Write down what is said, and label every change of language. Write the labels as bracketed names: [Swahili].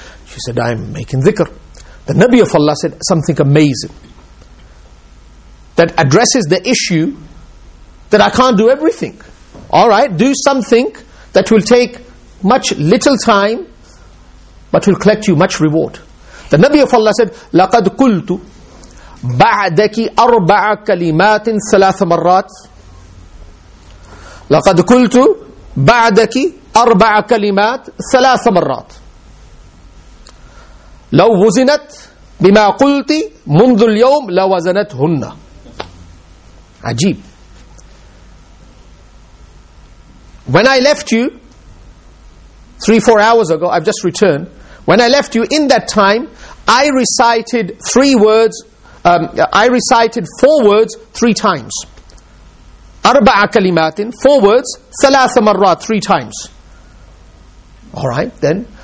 [English] She said, I'm making dhikr. The Nabi of Allah said something amazing that addresses the issue that I can't do everything. Alright, do something that will take much little time, but will collect you much reward. The Nabi of Allah said, [Arabic] لَقَدْ قُلْتُ بَعْدَكِ أَرْبَعَ كَلِمَاتٍ ثَلَاثَ مَرَّاتٍ لَقَدْ قُلْتُ بَعْدَكِ أَرْبَعَ كَلِمَاتٍ ثَلَاثَ مَرَّاتٍ لَوْ وُزِنَتْ بِمَا قُلْتِ مُنْذُ الْيَوْمِ لَوَزَنَتْ هُنَّ. عجيب. [English] When I left you, 3-4 hours ago, I've just returned. When I left you, in that time, I recited 3 words, I recited 4 words 3 times. [Arabic] Arba'a kalimatin, [English] 4 words, [Arabic] thalatha marrat, [English] 3 times. Alright, then.